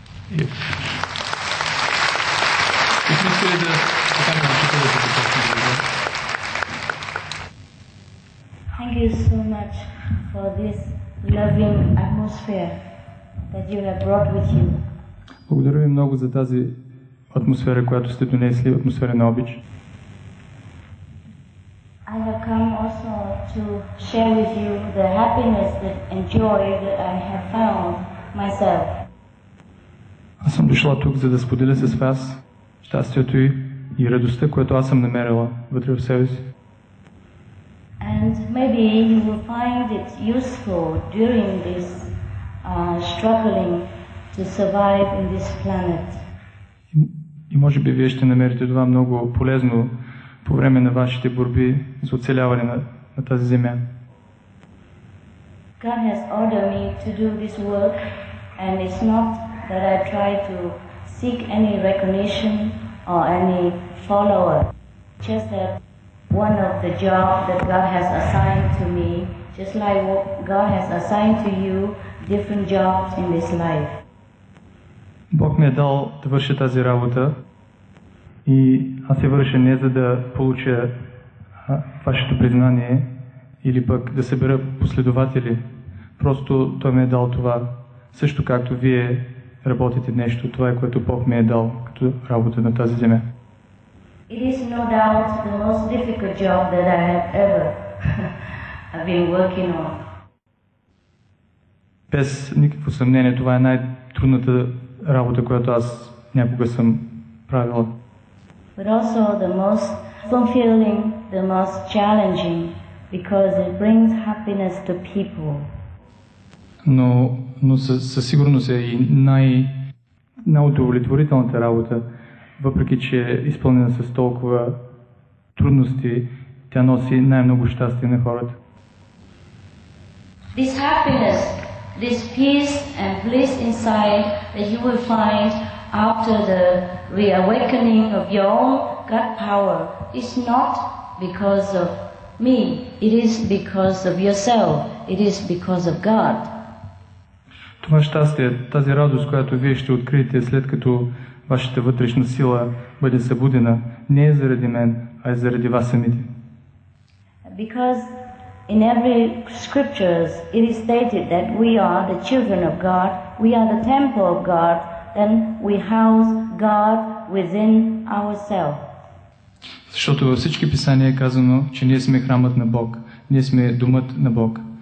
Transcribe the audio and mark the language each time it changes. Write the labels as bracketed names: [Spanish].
[English] If you could thank you so much. Thank you. Thank you. Thank you. Thank you so much for this loving atmosphere that you have brought with you. [Bulgarian] Благодаря ви много за тази атмосфера, която сте донесли, атмосфера на обич. [English] I have come also to share with you the happiness that and joy that I have found myself. [Bulgarian] Аз съм дошла тук, за да споделя с вас щастието и радостта, което аз съм намерила вътре в себе си. [English] And maybe you will find it useful during this struggling to survive in this planet. [Bulgarian] И може би вие ще намерите това много полезно по време на вашите борби за оцеляване на тази земя. [English] God has ordered me to do this work and it's not that I try to seek any recognition or any follower. Just that one of the jobs that God has assigned to me, just like God has assigned to you different jobs in this life. [Bulgarian] Бог ми е дал да върша тази работа и аз я върша не за да получа вашето признание или пък да събера последователи. Просто Той ми е дал това, също както вие работите нещо, това е което Бог ми е дал като работа на тази земя. [English] It is no doubt the most difficult job that I have ever been working on. [Bulgarian] Без никакво съмнение, това е най-трудната работа, която аз някога съм правила. [English] But also the most fulfilling, the most challenging, because it brings happiness to people. [Bulgarian] Но със сигурност е и най-удовлетворителната работа, въпреки че е изпълнена с толкова трудности, тя носи най-много щастие на хората. [English] This happiness, this peace and bliss inside that you will find after the reawakening of your own God power is not because of me, it is because of yourself, it is because of God. [Bulgarian] Това щастие, тази радост, която вие ще откриете след като вашата вътрешна сила бъде събудена, не е заради мен, а е заради вас самите. [English] Because in every scriptures it is stated that we are the children of God, we are the temple of God, then we house God within ourselves. [Bulgarian] Защото във всички писания е казано, че ние сме храмът на Бог, ние сме домът на Бог.